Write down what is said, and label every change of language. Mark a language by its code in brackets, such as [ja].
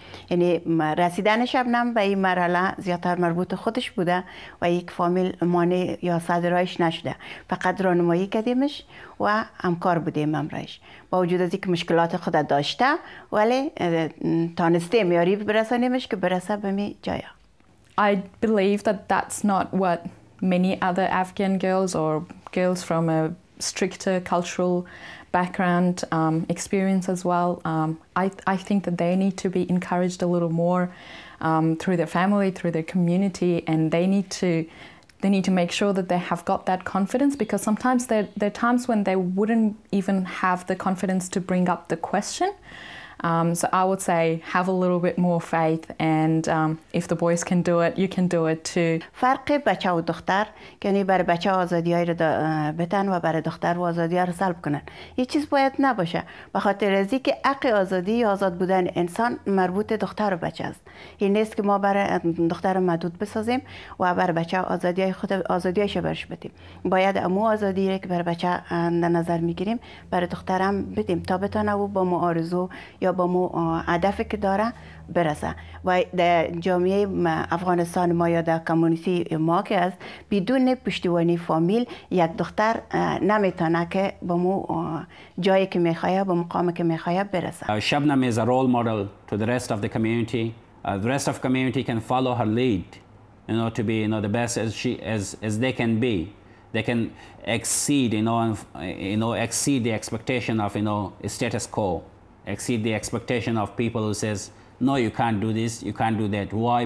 [fa] یعنی رسیدن شبنم به این مرحله زیادتر مربوط خودش بوده و یک فامیل مانع یا صدرایش نشده، فقط راهنمایی کردیمش و همکار بودیم امرایش با وجود از اینکه مشکلات خود داشته، ولی تانستیم یاری برسانیمش که برسه به می جایا. [en] I believe that that's not what many other Afghan girls or girls from a stricter cultural background experience as well. I think that they need to be encouraged a little more through their family, through their community, and they need to make sure that they have got that confidence, because sometimes there are times when they wouldn't even have the confidence to bring up the question. So I would say have a little bit more faith and if the boys can do it, you can do it too. [fa] فرق بچه و دختر که یعنی برای بچه آزادی های رو بتن و برای دختر و آزادی ها رو سلب کنن. یه چیز باید نباشه. بخاطر از اینکه حق آزادی یا آزاد بودن انسان مربوط دختر و بچه است. این نیست که ما برای دختر مدود بسازیم و برای بچه آزادی های خود آزادی هایش برش بدیم. باید امو آزادی رو که برای بچه در نظر میگیریم برای دختر هم بدیم تا بتانه او با مو آرزو یا با مو هدفی که داره برسه. و در جامعه افغانستان ما یا در کمیونیتی ما که است، بدون پشتیبانی فامیل یک دختر نمیتونه که با مو جایی که میخواد با مقامی که میخواد برسه. [en] Shabnam is a role model to the rest of the community. The rest of the community can follow her lead, you know, to be, you know, the best as they can be. They can exceed, exceed the expectation of, status quo. Exceed the expectation of people who says, no, you can't do this, you can't do that. Why?